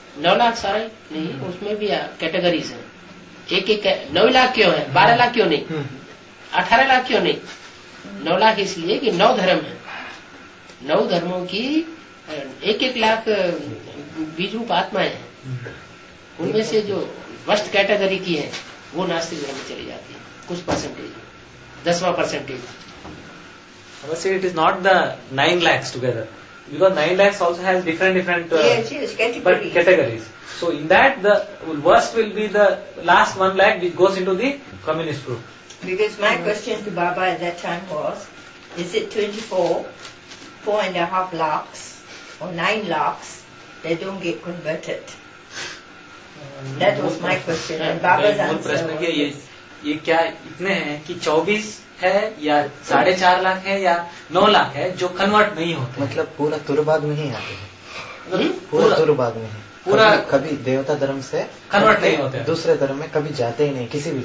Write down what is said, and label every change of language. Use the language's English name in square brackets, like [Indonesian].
[Hindi] 9 लाख सारे नहीं उसमें भी कैटेगरीज है एक एक 9 लाख क्यों है 12 लाख क्यों नहीं 18 लाख क्यों नहीं 9 लाख इसलिए कि 9 धर्म है 9 धर्मों की 1-1 लाख बीज रूप आत्माएं हैं उनमें से जो वर्स्ट कैटेगरी की है वो नास्तिक धर्म में चली जाती है कुछ परसेंटेज 10वां परसेंटेज [English] बस it is not the 9 lakh together Because 9 lakhs also has different categories. So in that, the worst will be the last 1 lakh which goes into the communist group. Because my question to Baba at that time was, is it 24, 4.5 lakhs or 9 lakhs that don't get converted? That was my question. And Baba's answer was, [Hindi] ये क्या इतने हैं कि 24 है या 4.5 लाख है या 9 लाख है जो कन्वर्ट नहीं होते मतलब पूरा तुरबाग में ही आते हैं पूरा तुरबाग में है पूरा कभी देवता धर्म से कन्वर्ट नहीं होते दूसरे धर्म में कभी जाते ही नहीं किसी भी